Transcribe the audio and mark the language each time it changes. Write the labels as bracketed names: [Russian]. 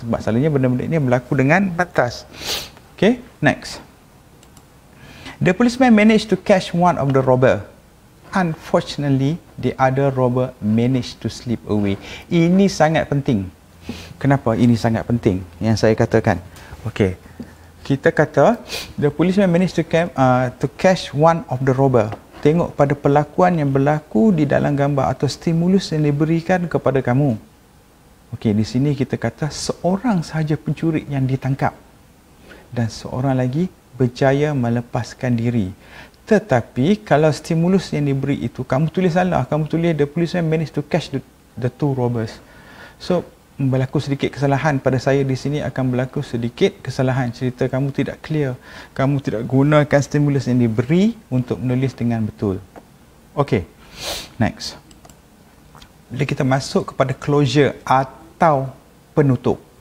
[Malay] Sebab selalunya benda-benda ini berlaku dengan pantas. [English] Okay, next. The policeman managed to catch one of the robber. Unfortunately, the other robber managed to slip away. [Malay] Ini sangat penting. Kenapa ini sangat penting yang saya katakan? [English] Okay. [Malay] Kita kata, [English] the policeman managed to catch one of the robber. [Malay] Tengok pada perlakuan yang berlaku di dalam gambar atau stimulus yang diberikan kepada kamu. Okey, di sini kita kata seorang sahaja pencuri yang ditangkap. Dan seorang lagi berjaya melepaskan diri. Tetapi, kalau stimulus yang diberi itu, kamu tulis salah. Kamu tulis, [English] the policeman managed to catch the two robbers. [Malay] So, berlaku sedikit kesalahan pada saya di sini, akan berlaku sedikit kesalahan. Cerita kamu tidak clear. Kamu tidak gunakan stimulus yang diberi untuk menulis dengan betul. Okay, next. Bila kita masuk kepada closure atau penutup.